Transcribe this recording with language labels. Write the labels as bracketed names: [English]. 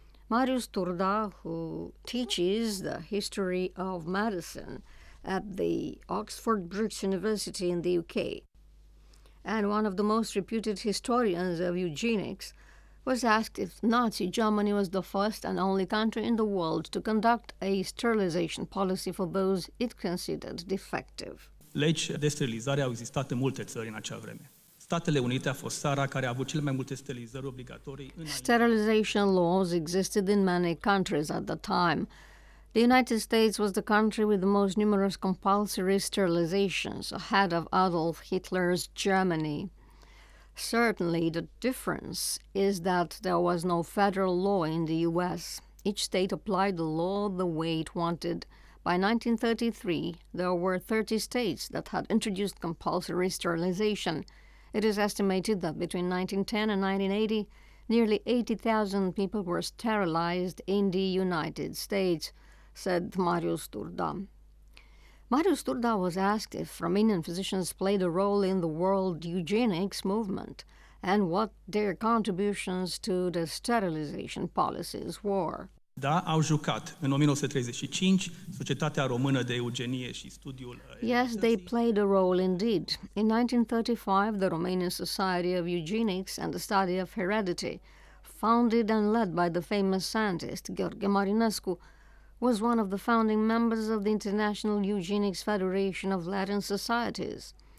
[English] Marius Turda, who teaches the history of medicine at the Oxford Brookes University in the UK, and one of the most reputed historians of eugenics, was asked if Nazi Germany was the first and only country in the world to conduct a sterilization policy for those it considered defective. [Romanian] Legi de sterilizare au existat în multe țări în acea vreme. Statele Unite a fost țara care a avut cele mai multe sterilizări obligatorii. [English] Sterilization laws existed in many countries at the time. The United States was the country with the most numerous compulsory sterilizations ahead of Adolf Hitler's Germany. Certainly, the difference is that there was no federal law in the U.S. Each state applied the law the way it wanted. By 1933, there were 30 states that had introduced compulsory sterilization. It is estimated that between 1910 and 1980, nearly 80,000 people were sterilized in the United States, said Marius Turda. Marius Turda was asked if Romanian physicians played a role in the world eugenics movement and what their contributions to the sterilization policies were. [Romanian] Da, au jucat. În 1935, Societatea Română de Eugenie și Studiul... [English] Yes, they played a role indeed. In 1935, the Romanian Society of Eugenics and the Study of Heredity, founded and led by the famous scientist Gheorghe Marinescu, was one of the founding members of the International Eugenics Federation of Latin Societies.